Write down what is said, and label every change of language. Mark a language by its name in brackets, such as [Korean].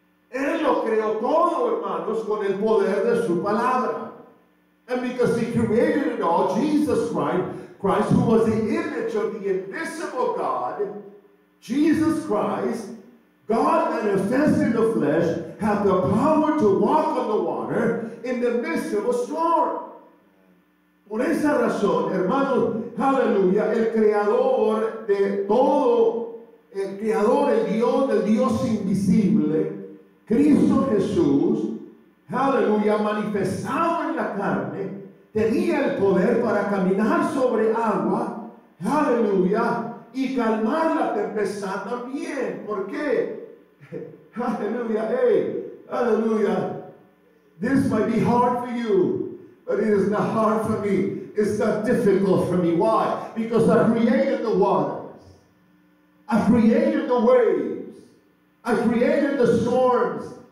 [Spanish] Él lo creó todo, hermanos, con el poder de su palabra. [English] And because He created it all, Jesus Christ, who was the image of the invisible God, Jesus Christ, God manifested in the flesh, had the power to walk on the water in the midst of a storm. [Spanish] Por esa razón, hermanos, hallelujah, el creador de todo, el creador, el Dios invisible, Cristo Jesús, hallelujah, manifestado en la carne, tenía el poder para caminar sobre agua, hallelujah, y calmar la tempestad también. ¿Por qué? [English] Hallelujah, hey, hallelujah, this might be hard for you, but it is not hard for me. It's not difficult for me. Why? Because I created the waters. I created the waves. I created the storms.